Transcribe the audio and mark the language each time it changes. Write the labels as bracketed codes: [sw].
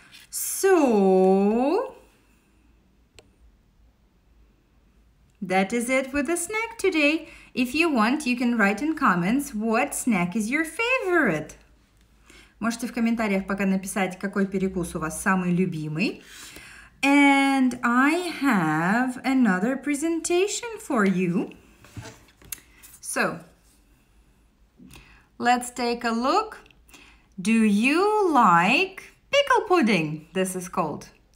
[en] So, that is it with the snack today. If you want, you can write in comments, what snack is your favorite? [ru] Можете в комментариях пока написать, какой перекус у вас самый любимый. [en] And I have another presentation for you. So, Let's take a look. Do you like pickle pudding? This is called.